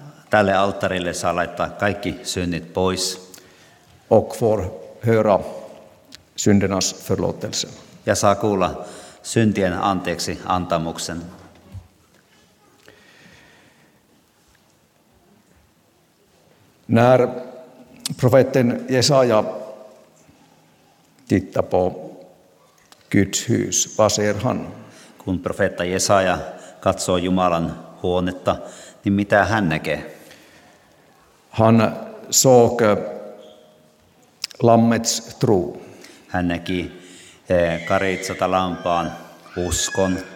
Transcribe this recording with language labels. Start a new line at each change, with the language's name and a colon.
Finnish: Tälle alttarille saa laittaa kaikki synnit pois.
Swedish: Och får höra syndernas förlåtelse.
Finnish: Ja saa kuulla syntien anteeksi antamuksen.
Swedish: När profeten Jesaja tittar på Guds hus, vad ser han?
Finnish: Kun profeetta Jesaja katsoo Jumalan huonetta, niin mitä hän näkee?
Swedish: Han såg lammets tro.
Finnish: Hän näki karitsata lampaan uskon.